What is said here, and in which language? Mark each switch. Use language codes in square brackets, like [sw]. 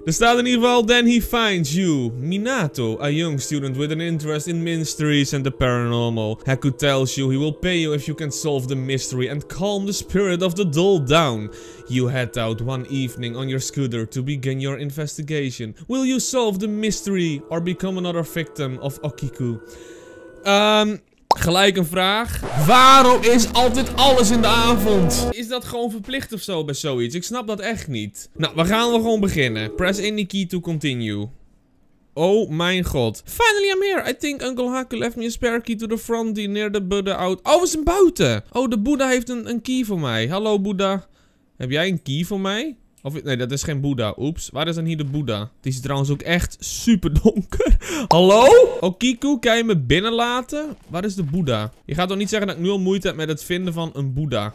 [nl] Er staat in ieder geval, [en] then he finds you. Minato, a young student with an interest in mysteries and the paranormal. Haku tells you he will pay you if you can solve the mystery and calm the spirit of the doll down. You head out one evening on your scooter to begin your investigation. Will you solve the mystery or become another victim of Okiku? [nl] Gelijk een vraag. Waarom is altijd alles in de avond? Is dat gewoon verplicht of zo bij zoiets? Ik snap dat echt niet. Nou, we gaan wel gewoon beginnen. [en] Press any key to continue. [nl] Oh mijn god. [en] Finally I'm here. I think Uncle Haku left me a spare key to the front near the Buddha out. [nl] Oh, we zijn buiten. Oh, de Buddha heeft een key voor mij. Hallo Buddha. Heb jij een key voor mij? Of, nee, dat is geen Boeddha. Oeps. Waar is dan hier de Boeddha? Die is trouwens ook echt super donker. Hallo? Okiku, kan je me binnenlaten? Waar is de Boeddha? Je gaat toch niet zeggen dat ik nu al moeite heb met het vinden van een Boeddha.